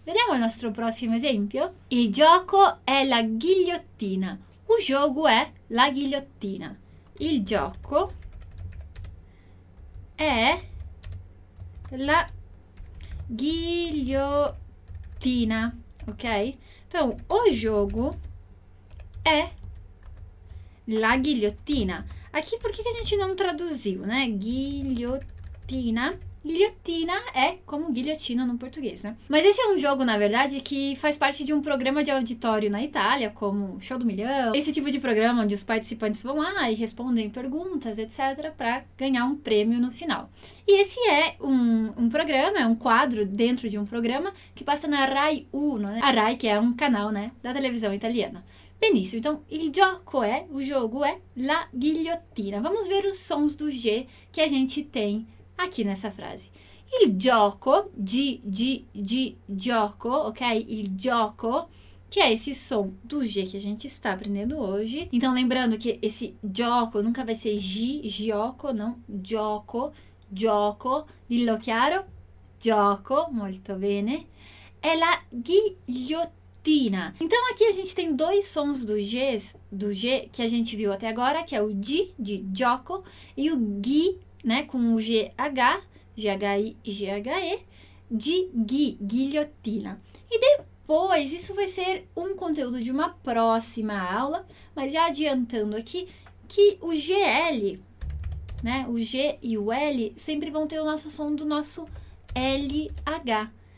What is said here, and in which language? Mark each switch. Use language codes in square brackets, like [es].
[it] Vediamo il nostro prossimo esempio. Il gioco è la ghigliottina. [pt] O jogo [it] è la ghigliottina. Il gioco è la ghigliottina. Ok? [pt] Então, o jogo é la ghigliottina. Aqui, por que a gente não traduziu, né? Ghigliottina. Ghigliottina é como guilhotina no português, né? Mas esse é um jogo, na verdade, que faz parte de um programa de auditório na Itália, como Show do Milhão. Esse tipo de programa onde os participantes vão lá e respondem perguntas, etc., para ganhar um prêmio no final. E esse é um programa, é um quadro dentro de um programa que passa na Rai Uno, né? A Rai, que é um canal, né, da televisão italiana. [it] Benissimo, [pt] então o jogo é la ghigliottina. Vamos ver os sons do G que a gente tem aqui nessa frase. Il gioco, G, gioco, ok? Il gioco, que é esse som do G que a gente está aprendendo hoje. Então, lembrando que esse gioco nunca vai ser G, gioco, não. [it] Gioco, gioco. Dillo chiaro, gioco, molto bene. È la ghigliottina. [pt] Então, aqui a gente tem dois sons do G que a gente viu até agora, que é o G, de gioco, e o ghi, né, com o GH, GHI, GHE, de gui, guilhotina. E depois, isso vai ser um conteúdo de uma próxima aula, mas já adiantando aqui, que o GL, né, o G e o L sempre vão ter o nosso som do nosso LH.